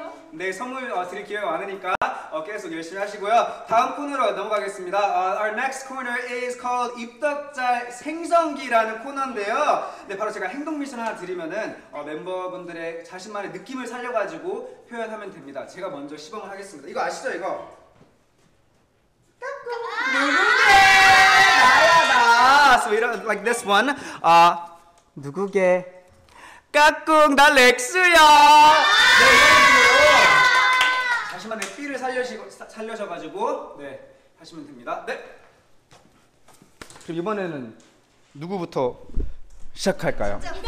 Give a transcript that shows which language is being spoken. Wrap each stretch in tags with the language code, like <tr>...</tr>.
<ko>근데 선물 드릴 기회가 많으니까 계속 열심히 하시고요. 다음 코너로 넘어가겠습니다.</ko> <en>Our next corner is called</en> <ko>입덕자의 생성기라는 코너인데요. 네, 바로 제가 행동 미션 하나 드리면은 멤버분들의 자신만의 느낌을 살려가지고 표현하면 됩니다. 제가 먼저 시범을 하겠습니다. 이거 아시죠, 이거? 누구게? 나야, 나.</ko> <en>So you know, like this one.</en> <ko>누구게? 까꿍, 나 렉스야. 네, 자신만의 삐를 살려셔가지고 네 하시면 됩니다. 네. 그럼 이번에는 누구부터 시작할까요?</ko>